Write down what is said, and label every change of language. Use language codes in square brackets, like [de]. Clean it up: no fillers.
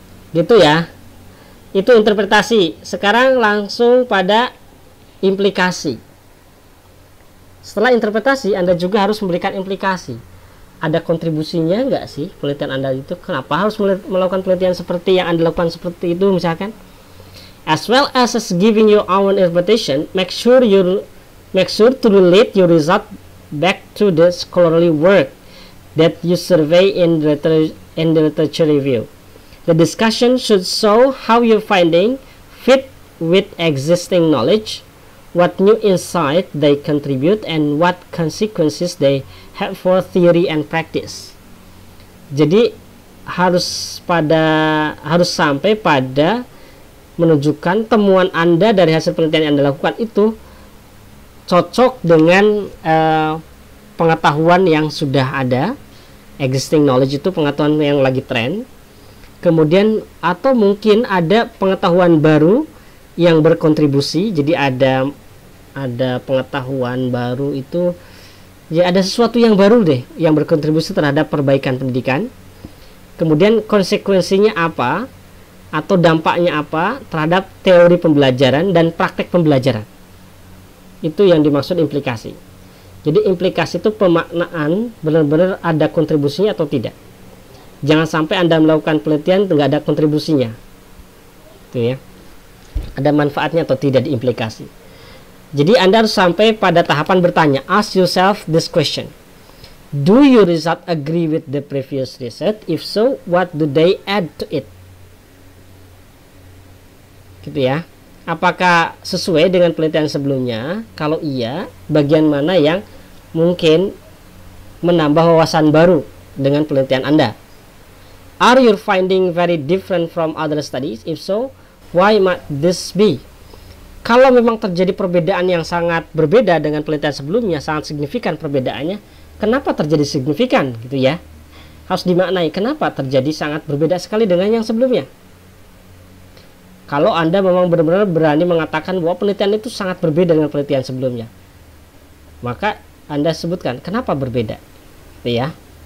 [id] Gitu ya, itu interpretasi. Sekarang langsung pada implikasi. Setelah interpretasi, Anda juga harus memberikan implikasi. Ada kontribusinya nggak sih penelitian Anda itu? Kenapa harus melakukan penelitian seperti yang Anda lakukan seperti itu misalkan? [en] As well as giving your own interpretation, make sure to relate your result back to the scholarly work that you survey in the literature review. The discussion should show how your finding fit with existing knowledge, what new insight they contribute, and what consequences they have for theory and practice. [id] Jadi harus sampai pada menunjukkan temuan Anda dari hasil penelitian yang Anda lakukan itu cocok dengan pengetahuan yang sudah ada, existing knowledge itu pengetahuan yang lagi tren. Kemudian atau mungkin ada pengetahuan baru yang berkontribusi, jadi ada pengetahuan baru itu, ya ada sesuatu yang baru deh yang berkontribusi terhadap perbaikan pendidikan. Kemudian konsekuensinya apa atau dampaknya apa terhadap teori pembelajaran dan praktek pembelajaran. Itu yang dimaksud implikasi. Jadi implikasi itu pemaknaan benar-benar ada kontribusinya atau tidak. Jangan sampai Anda melakukan penelitian enggak ada kontribusinya. Itu ya. Ada manfaatnya atau tidak diimplikasi. Jadi Anda harus sampai pada tahapan bertanya, [en] ask yourself this question. Do your result agree with the previous research? If so, what do they add to it? [id] Gitu ya. Apakah sesuai dengan penelitian sebelumnya? Kalau iya, bagian mana yang mungkin menambah wawasan baru dengan penelitian Anda? [en] Are your finding very different from other studies? If so, why might this be? [id] Kalau memang terjadi perbedaan yang sangat berbeda dengan penelitian sebelumnya, sangat signifikan perbedaannya, kenapa terjadi signifikan? Gitu ya. Harus dimaknai, kenapa terjadi sangat berbeda sekali dengan yang sebelumnya? Kalau Anda memang benar-benar berani mengatakan bahwa penelitian itu sangat berbeda dengan penelitian sebelumnya, maka Anda sebutkan kenapa berbeda. Gitu ya.